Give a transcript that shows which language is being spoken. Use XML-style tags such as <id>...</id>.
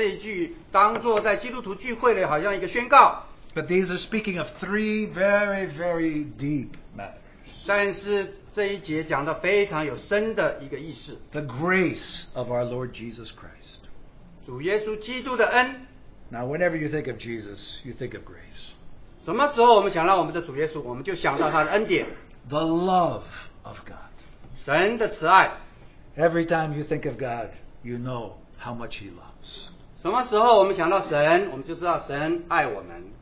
<zh>有的时候许多地方把这一句当作在基督徒聚会里好像一个宣告。</zh> <en>But these are speaking of three very, very deep matters.</en> <zh>但是</zh> <en>The grace of our Lord Jesus Christ.</en> <zh>主耶稣基督的恩,</zh> <en>now, whenever you think of Jesus, you think of grace.</en> <zh>什么时候我们想到我们的主耶稣, 我们就想到他的恩典,</zh> <en>the love of God.</en> <zh>神的慈爱,</zh> <en>every time you think of God, you know how much He loves.</en> <zh>什么时候我们想到神, 我们就知道神爱我们,</zh>